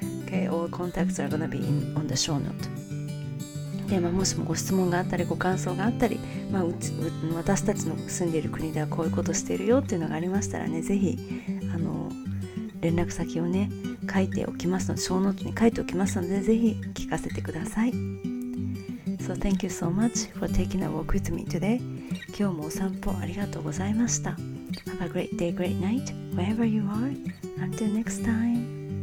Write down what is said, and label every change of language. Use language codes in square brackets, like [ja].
[en] Okay, all contacts are gonna be in, on the show note. [ja] で、まあ、もしもご質問があったりご感想があったり、まあ、私たちの住んでいる国ではこういうことしているよっていうのがありましたらね、ぜひ連絡先をね書いておきますので、ショーノートに書いておきますので、ぜひ聞かせてください。 [en] So thank you so much for taking a walk with me today. [ja] 今日もお散歩ありがとうございました。 [en] Have a great day, great night, wherever you are. Until next time.